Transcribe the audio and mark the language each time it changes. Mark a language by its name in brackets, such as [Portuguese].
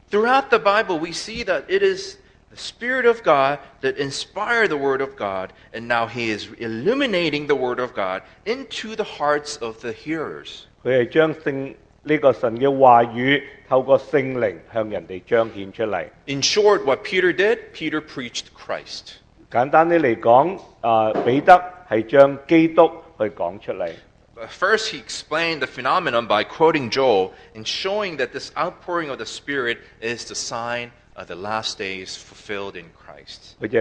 [English] Throughout the Bible, we see that it is the Spirit of God that inspired the Word of God, and now He is illuminating the Word of God into the hearts of the hearers. [Chinese] 他是将神的话语透过圣灵向人家彰显出来。 [English] In short, what Peter did, Peter preached Christ. [Chinese] 简单地来讲, 彼得是将基督去讲出来。 [English] But first, he explained the phenomenon by quoting Joel and showing that this outpouring of the Spirit is the sign of the last days fulfilled in Christ.